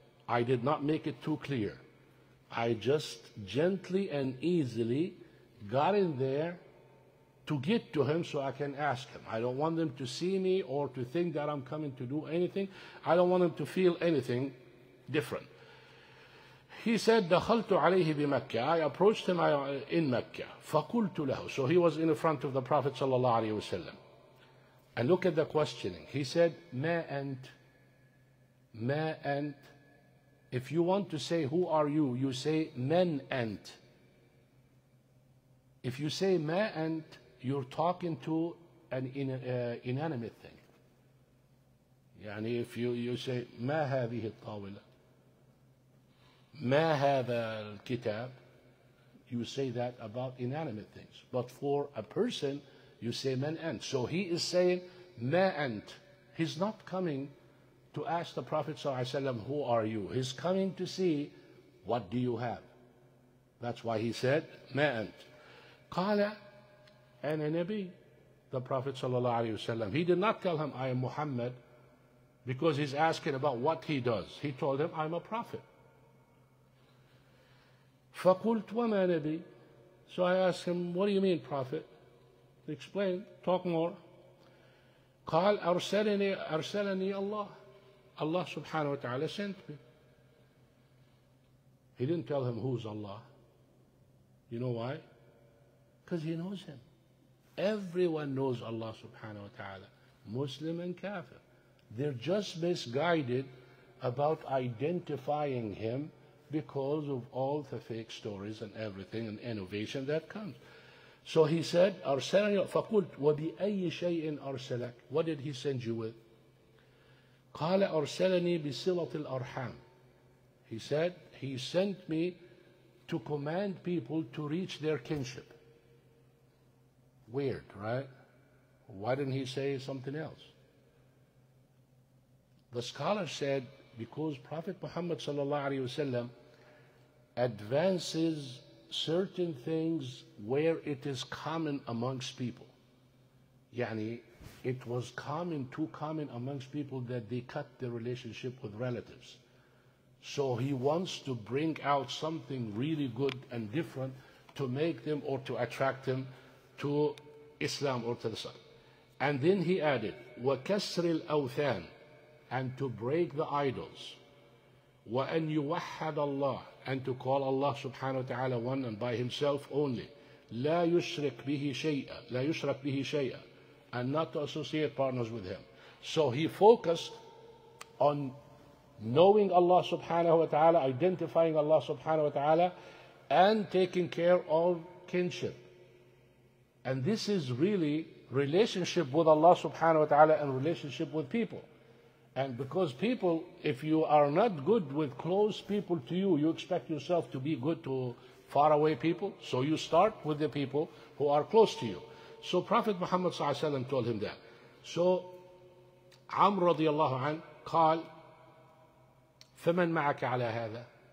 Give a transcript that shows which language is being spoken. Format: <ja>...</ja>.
<en>I did not make it too clear. I just gently and easily got in there to get to him so I can ask him. I don't want them to see me or to think that I'm coming to do anything. I don't want them to feel anything different. He said,</en> <ar>دخلت عليه بمكة.</ar> <en>I approached him in مكة.</en> <ar>فقلت له.</ar> <en>So he was in front of the Prophet صلى الله عليه وسلم. And look at the questioning. He said,</en> <ar>ما أنت؟ ما أنت؟</ar> <en>If you want to say who are you, you say</en> <ar>من أنت.</ar> <en>If you say</en> <ar>ما أنت,</ar> <en>you're talking to an inanimate thing. يعني if you say</en> <ar>ما هذه الطاولة, ما هذا الكتاب,</ar> <en>you say that about inanimate things. But for a person, you say</en> <ar>من أنت.</ar> <en>So he is saying</en> <ar>ما أنت.</ar> <en>He's not coming to ask the Prophet صلى الله عليه وسلم, who are you? He's coming to see, what do you have? That's why he said,</en> <ar>ما أنت. قال, أنا نبي,</ar> <en>the Prophet</en> <ar>صلى الله عليه وسلم.</ar> <en>He did not tell him, I am Muhammad, because he's asking about what he does. He told him, I'm a prophet.</en> <ar>فقلت, وما نبي?</ar> <en>So I asked him, what do you mean, prophet? Explain, talk more.</en> <ar>قال, أرسلني الله.</ar> <en>Allah subhanahu wa ta'ala sent me. He didn't tell him who's Allah. You know why? Because he knows him. Everyone knows Allah subhanahu wa ta'ala. Muslim and kafir. They're just misguided about identifying him because of all the fake stories and everything and innovation that comes. So he said,</en> <ar>أَرْسَلَنِي فَقُلْتْ وَبِأَيِّ شَيْءٍ أَرْسَلَكْ.</ar> <en>What did he send you with?</en> <ar>قال أرسلني بصلة الأرحام.</ar> <en>He said, he sent me to command people to reach their kinship. Weird, right? Why didn't he say something else? The scholar said, because Prophet Muhammad صلى الله عليه وسلم advances certain things where it is common amongst people. يعني it was common, too common amongst people that they cut their relationship with relatives. So he wants to bring out something really good and different to make them or to attract them to Islam or to the sun. And then he added,</en> <ar>وَكَسْرِ الْأَوْثَانِ,</ar> <en>and to break the idols.</en> <ar>وَأَنْ يُوَحَّدَ اللَّهِ,</ar> <en>and to call Allah subhanahu wa ta'ala one and by himself only.</en> <ar>لَا يُشْرِكْ بِهِ شَيْئًا, لَا يُشْرَكْ بِهِ شَيْئًا,</ar> <en>and not to associate partners with him. So he focused on knowing Allah subhanahu wa ta'ala, identifying Allah subhanahu wa ta'ala, and taking care of kinship. And this is really relationship with Allah subhanahu wa ta'ala and relationship with people. And because people, if you are not good with close people to you, you expect yourself to be good to far away people. So you start with the people who are close to you. So Prophet Muhammad صلى الله عليه وسلم told him that.</en> <ar>So Amr رضي الله عنه قال فمن معك على هذا?</ar>